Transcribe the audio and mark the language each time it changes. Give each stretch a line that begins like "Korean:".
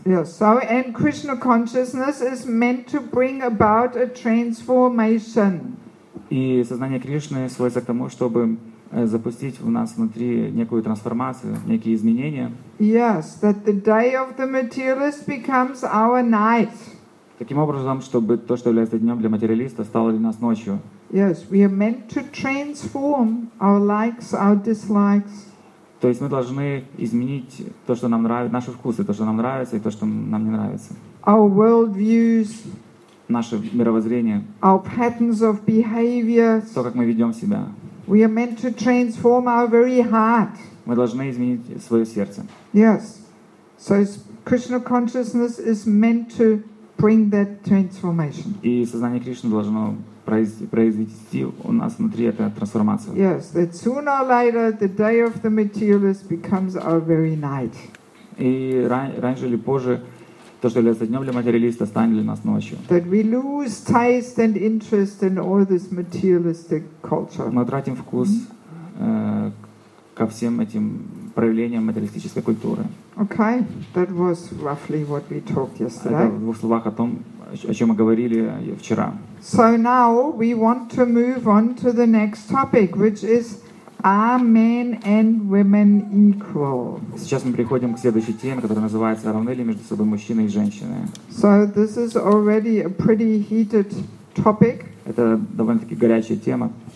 English: Yes, so and Krishna consciousness is meant to bring about a transformation.
Russian: И сознание Кришны сводится к тому, чтобы запустить в нас внутри некую трансформацию, некие изменения.
English: Yes, that the day of the materialist becomes our night.
Russian: Таким образом, чтобы то, что является днем для материалиста, стало для нас ночью.
English: Yes, we are meant to transform our likes, our dislikes.
Russian: То есть мы должны изменить то, что нам нравится, наши вкусы, то, что нам нравится, и то, что нам не нравится.
English: Our worldviews.
Russian: Наше мировоззрение.
English: Our patterns of behavior.
Russian: То, как мы ведем себя.
English: We are meant to transform our very heart.
Russian: Мы должны изменить свое сердце.
English: Yes, so Krishna consciousness is meant to bring that transformation.
Russian: И сознание Кришны должно произвести у нас внутри эту трансформацию.
English: Yes, that sooner or later the day of the materialist becomes our very night.
Russian: И раньше или позже то, что является днем для материалиста, станет для нас ночью.
English: That we lose taste and interest in all this materialistic culture.
Russian: Мы утратим вкус ко всем этим проявлением материалистической культуры.
English: Okay, that was roughly what we talked yesterday.
Russian: Это в двух словах о том, о чем мы говорили вчера.
English: So now we want to move on to the next topic, which is are men and women equal?
Russian: Сейчас мы переходим к следующей теме, которая называется равны ли между собой мужчины и женщины.
English: So this is already a pretty heated topic.
Russian: Это довольно-таки горячая тема.